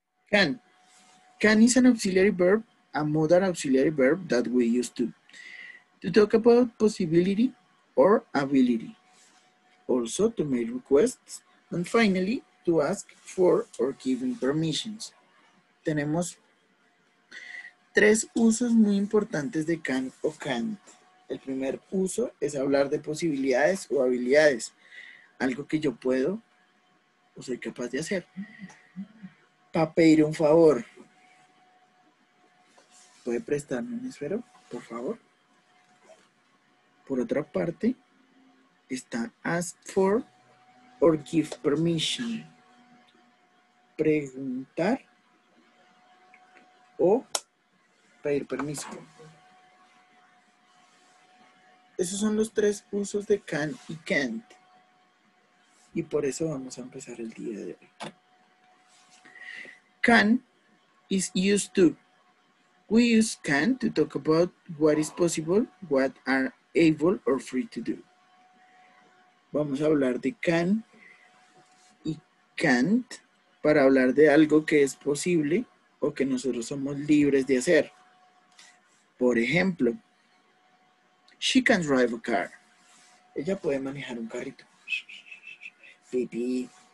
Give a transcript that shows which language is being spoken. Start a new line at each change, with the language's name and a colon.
English: Can is an auxiliary verb, a modal auxiliary verb that we use to talk about possibility or ability. Also, to make requests. And finally, to ask for or giving permissions.
Spanish: Tenemos 3 usos muy importantes de can o can't. El primer uso es hablar de posibilidades o habilidades. Algo que yo puedo o soy capaz de hacer. Para pedir un favor. ¿Puede prestarme un esfero, por favor? Por otra parte, está
English: ask for or give permission.
Spanish: Preguntar o pedir permiso. Esos son los 3 usos de can y can't. Y por eso vamos a empezar el día de hoy.
English: Can is used to. We use can to talk about what is possible, what are able or free to do.
Spanish: Vamos a hablar de can y can't para hablar de algo que es posible o que nosotros somos libres de hacer. Por ejemplo,
English: she can drive a car.
Spanish: Ella puede manejar un carrito. Baby.